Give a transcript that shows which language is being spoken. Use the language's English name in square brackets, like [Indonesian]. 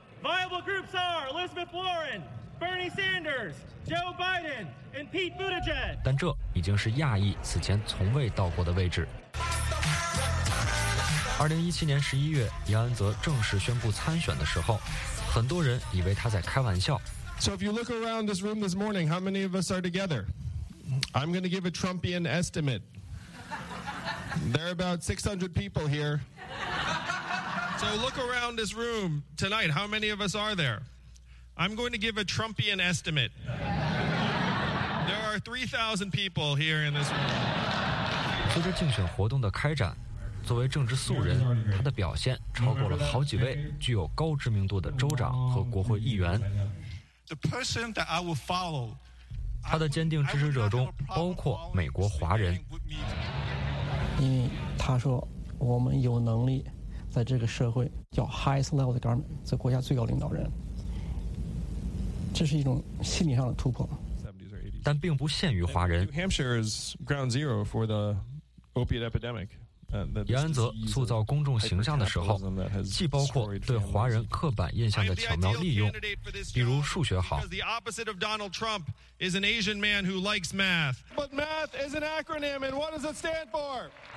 [Chinese] Viable groups are Elizabeth Warren, Bernie Sanders, Joe Biden, and Pete Buttigieg. 但这已经是亚裔此前从未到过的位置。 2017年11月，杨安泽正式宣布参选的时候，很多人以为他在开玩笑。 [English] So if you look around this room this morning, how many of us are together? I'm going to give a Trumpian estimate. There are about 600 people here. So look around this room tonight. How many of us are there? I'm going to give a Trumpian estimate. There are 3,000 people here in this room. [Chinese] 随着竞选活动的开展，作为政治素人，他的表现超过了好几位具有高知名度的州长和国会议员。 [English] The person that I will follow, [Chinese] 他的坚定支持者中包括美国华人。因为他说我们有能力在这个社会叫 [English] highest level government, [Chinese] 在国家最高领导人。这是一种心理上的突破。但并不限于华人。 [English] New Hampshire is ground zero for the opiate epidemic. [Chinese] 杨安泽塑造公众形象的时候，既包括对华人刻板印象的巧妙利用，比如数学好。 [English] The opposite of Donald Trump is an Asian man who likes math. But math is an acronym, and what does it stand for?